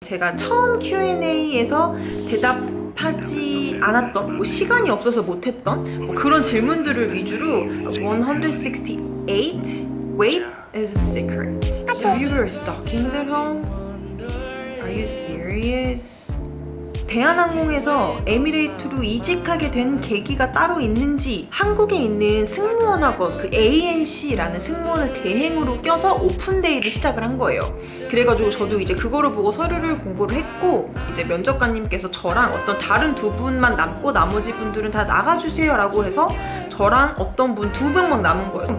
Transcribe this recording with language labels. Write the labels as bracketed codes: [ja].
[ko] 제가 처음 Q&A에서 대답하지 않았던, 뭐 시간이 없어서 못했던 뭐 그런 질문들을 위주로 168 [en] weight is a secret. Do you wear stockings at home? Are you serious? [ko] 대한항공에서 에미레이트로 이직하게 된 계기가 따로 있는지, 한국에 있는 승무원학원, 그 ANC라는 승무원을 대행으로 껴서 오픈데이를 시작을 한 거예요. 그래가지고 저도 이제 그거를 보고 서류를 공고를 했고, 이제 면접관님께서 저랑 어떤 다른 두 분만 남고 나머지 분들은 다 나가주세요 라고 해서 저랑 어떤 분 두 명만 남은 거예요.